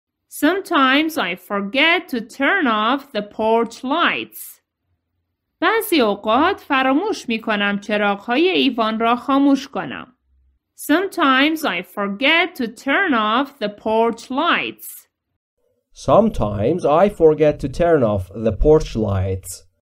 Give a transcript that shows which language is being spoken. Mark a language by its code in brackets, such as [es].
[en] Sometimes I forget to turn off the porch lights. [fa] بعضی اوقات فراموش میکنم چراغ‌های ایوان را خاموش کنم. [en] Sometimes I forget to turn off the porch lights. Sometimes I forget to turn off the porch lights.